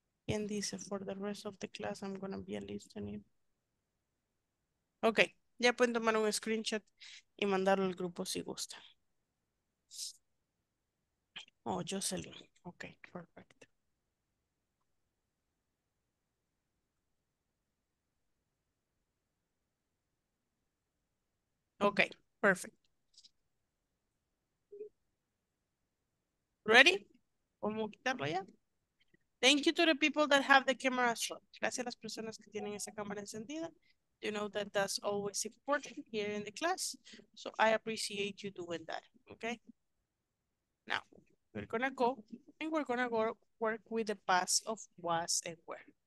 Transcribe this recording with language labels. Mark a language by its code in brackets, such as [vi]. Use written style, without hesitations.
[en] And this is for the rest of the class, I'm going to be listening. [es] Okay, ya pueden tomar un screenshot y mandarlo al grupo si gusta. [en] Oh, Jocelyn. Okay, perfect. Okay, perfect. Ready? [es] ¿Cómo quitarlo ya? [en] Thank you to the people that have the camera shut. [es] Gracias a las personas que tienen esa cámara encendida. [en] You know that that's always important here in the class. So I appreciate you doing that, okay? Now, we're gonna go and we're gonna go work with the past of was and were.